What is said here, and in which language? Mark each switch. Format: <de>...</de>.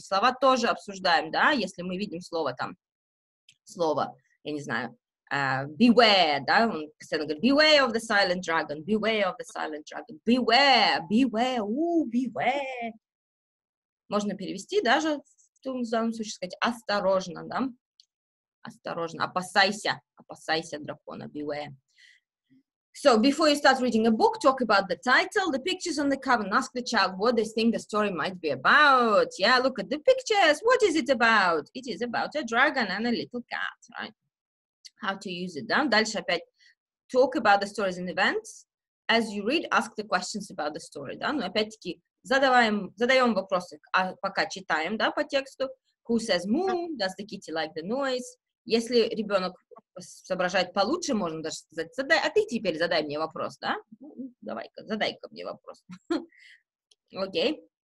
<ru>Слова тоже обсуждаем, да, если мы видим слово там, слово, я не знаю, beware, да, он постоянно говорит,</ru> <en>beware of the silent dragon, beware of the silent dragon, beware, beware,</en> <ru>beware. Можно перевести даже в том самом случае, сказать, осторожно, да, осторожно, опасайся, опасайся дракона, beware.</ru> <en>So, before you start reading a book, talk about the title, the pictures on the cover, and ask the child what they think the story might be about. Yeah, look at the pictures. What is it about? It is about a dragon and a little cat, right? How to use it, да?</en> <ru>Дальше опять</ru> <en>talk about the stories and events. As you read, ask the questions about the story, да?</en> <ru>Ну, опять-таки, задаем вопросы, а пока читаем, да, по тексту.</ru> <en>Who says moo? Does the kitty like the noise?</en> <ru>Если ребенок соображает получше, можно даже сказать, задай, а ты теперь задай мне вопрос, да? Давай-ка, задай-ка мне вопрос. Окей.</ru>